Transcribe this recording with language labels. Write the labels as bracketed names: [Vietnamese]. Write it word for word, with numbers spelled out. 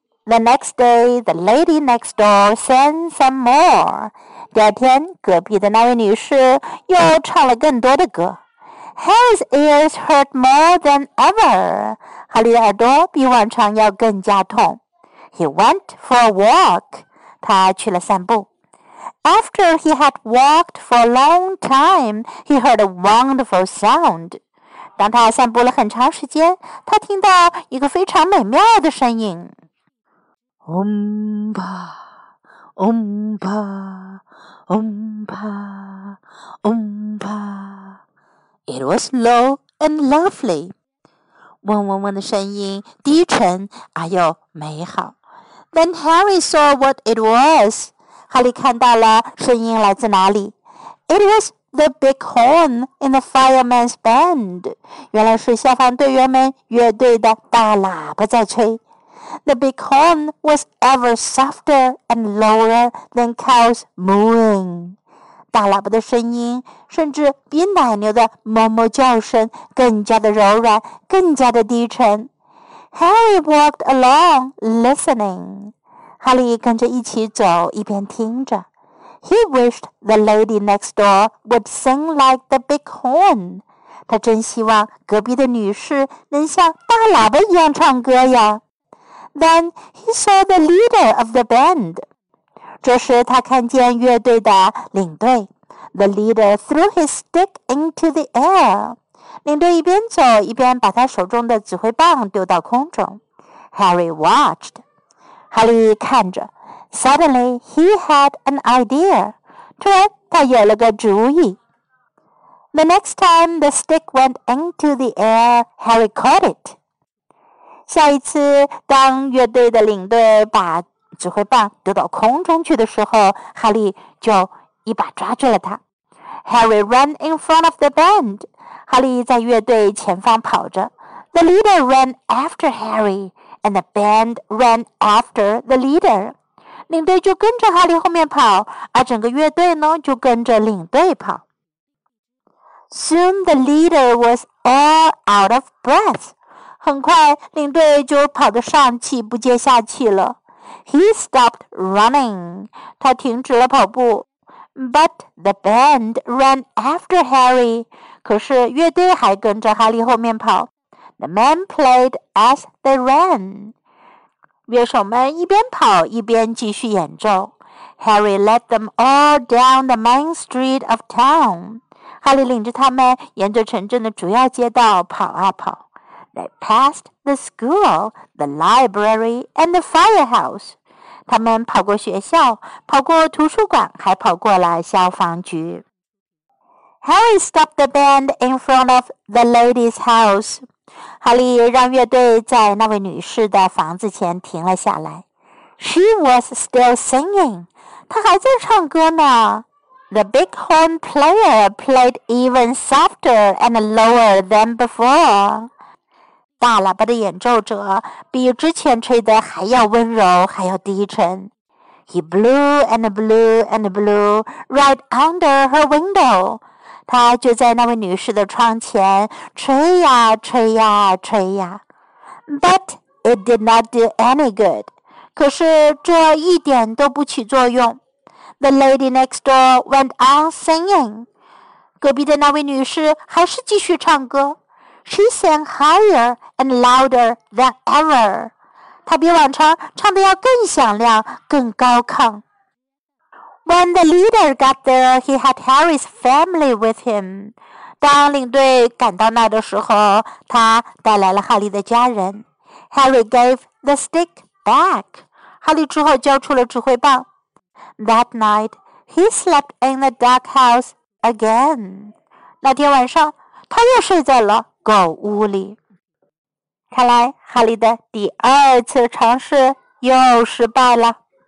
[English] The next day, the lady next door sang some more. [Chinese] 第二天，隔壁的那位女士又唱了更多的歌。 [English] Harry's ears hurt more than ever. [Chinese] 哈利的耳朵比往常要更加痛。 [English] He went for a walk. [Chinese] 他去了散步。 [English] After he had walked for a long time, he heard a wonderful sound. [Chinese] 当他散步了很长时间，他听到一个非常美妙的声音。嗡吧，嗡吧，嗡吧，嗡吧。 [English] It was low and lovely. [Chinese] 嗡嗡嗡的声音低沉而又美好。 [English] Then Harry saw what it was. [Chinese] 哈利看到了声音来自哪里。 [English] It was the big horn in the fireman's band. [Chinese] 原来是消防队员们乐队的大喇叭在吹。 [English] The big horn was ever softer and lower than cows mooing. [Chinese] 大喇叭的声音甚至比奶牛的哞哞叫声更加的柔软，更加的低沉。 [English] Harry walked along, listening. [Chinese] 哈利跟着一起走，一边听着。 [English] He wished the lady next door would sing like the big horn. [Chinese] 他真希望隔壁的女士能像大喇叭一样唱歌呀。 [English] Then he saw the leader of the band. [Chinese] 这时他看见乐队的领队 [English] The leader threw his stick into the air. [Chinese] 领队一边走一边把他手中的指挥棒丢到空中 [English] Harry watched. [Chinese] 哈利看着 [English] Suddenly he had an idea. [Chinese] 突然他有了个主意 [English] The next time the stick went into the air, Harry caught it. [Chinese] 下一次当乐队的领队把指挥棒丢到空中去的时候，哈利就一把抓住了它。 [English] Harry ran in front of the band. [Chinese] 哈利在乐队前方跑着。 [English] The leader ran after Harry, and the band ran after the leader. [Chinese] 领队就跟着哈利后面跑，而整个乐队呢就跟着领队跑。 [English] Soon the leader was all out of breath. [Chinese] 很快，领队就跑得上气不接下气了。 [English] He stopped running. [Chinese] 他停止了跑步。 [English] But the band ran after Harry. [Chinese] 可是乐队还跟着哈利后面跑。 [English] The men played as they ran. [Chinese] 乐手们一边跑一边继续演奏。 [English] Harry led them all down the main street of town. [Chinese] 哈利领着他们沿着城镇的主要街道跑啊跑。 [English] They passed the school, the library, and the firehouse. [Chinese] 他们跑过学校，跑过图书馆，还跑过了消防局。 [English] Harry stopped the band in front of the lady's house. [Chinese] 哈利让乐队在那位女士的房子前停了下来。 [English] She was still singing. [Chinese] 她还在唱歌呢。 [English] The big horn player played even softer and lower than before. [Chinese] 大喇叭的演奏者比之前吹得还要温柔，还要低沉。 [English] He blew and blew and blew right under her window. [Chinese] 他就在那位女士的窗前吹呀吹呀吹呀。 [English] But it did not do any good. [Chinese] 可是这一点都不起作用。 [English] The lady next door went on singing. [Chinese] 隔壁的那位女士还是继续唱歌。 [English] She sang higher and louder than ever. [Chinese] 她比往常唱得要更响亮，更高亢。 [English] When the leader got there, he had Harry's family with him. [Chinese] 当领队赶到那的时候，他带来了哈利的家人。 [English] Harry gave the stick back. [Chinese] 哈利之后交出了指挥棒。 [English] That night, he slept in the doghouse again. [Chinese] 那天晚上，他又睡在了狗屋里。看来，哈利的第二次尝试又失败了。